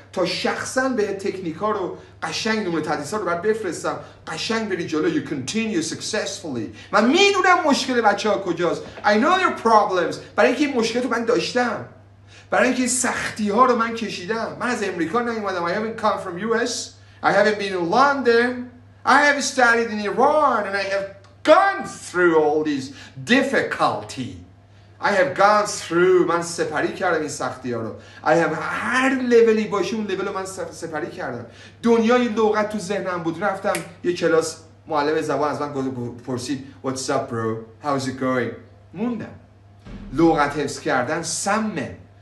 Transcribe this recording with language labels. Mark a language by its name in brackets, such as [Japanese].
[Persian] تا شخصا بهت تکنیکا رو قشنگ نمونه تدریسا رو برات بفرستم. قشنگ بری جلو. [English] You continue successfully. [Persian] من میدونم مشکل بچه‌ها کجاست. [English] I know your problems. [Persian] برای اینکه مشکل تو من داشتم. برای اینکه سختی ها رو من کشیدم. من از امریکا نیومدم. [English] I haven't come from US. I haven't been in London. I have studied in Iran and I have gone through all this difficulty. I have gone through. [Persian] من سپری کردم این سختی ها رو. [English] I have [Persian] هر لیولی باشه اون لیول رو من سپری کردم. دنیای لغت تو ذهنم بود. رفتم یه کلاس، معلم زبان از من پرسید [English] What's up bro? How's it going? [Persian] موندم. لغت حفظ کردن سمه.